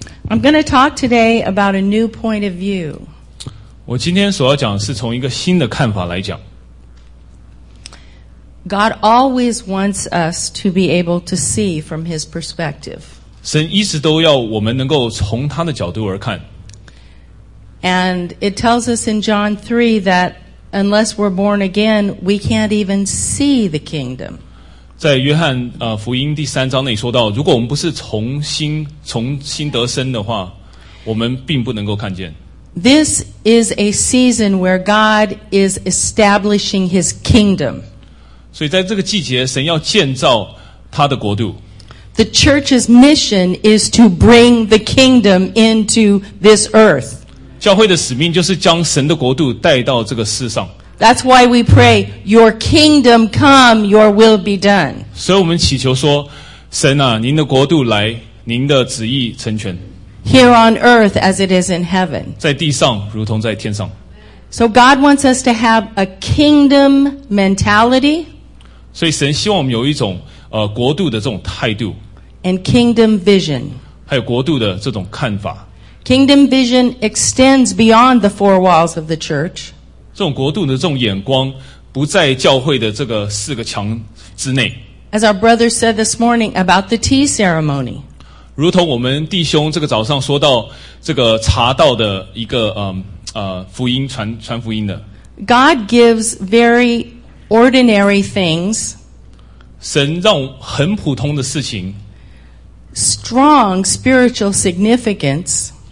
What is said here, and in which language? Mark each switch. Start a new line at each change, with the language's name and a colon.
English: I'm going to talk today about a new point of view.
Chinese: 我今天所要讲是从一个新的看法来讲。
English: God always wants us to be able to see from His perspective.
Chinese: 神一直都要我们能够从他的角度而看。
English: And it tells us in John 3 that unless we're born again, we can't even see the kingdom.
Chinese: 在约翰福音第三章内说到，如果我们不是重新得生的话，我们并不能够看见。
English: This is a season where God is establishing His kingdom.
Chinese: 所以在这个季节，神要建造他的国度。
English: The church's mission is to bring the kingdom into this earth.
Chinese: 教会的使命就是将神的国度带到这个世上。
English: That's why we pray, Your kingdom come, Your will be done.
Chinese: 所以我们祈求说，神啊，您的国度来，您的旨意成全。
English: Here on earth as it is in heaven.
Chinese: 在地上如同在天上。
English: So God wants us to have a kingdom mentality.
Chinese: 所以神希望我们有一种国度的这种态度。
English: And kingdom vision.
Chinese: 还有国度的这种看法。
English: Kingdom vision extends beyond the four walls of the church.
Chinese: 这种国度的这种眼光不在教会的这个四个墙之内。
English: As our brother said this morning about the tea ceremony.
Chinese: 如同我们弟兄这个早上说到这个茶道的一个福音传福音的。
English: God gives very ordinary things.
Chinese: 神让很普通的事情
English: strong spiritual significance.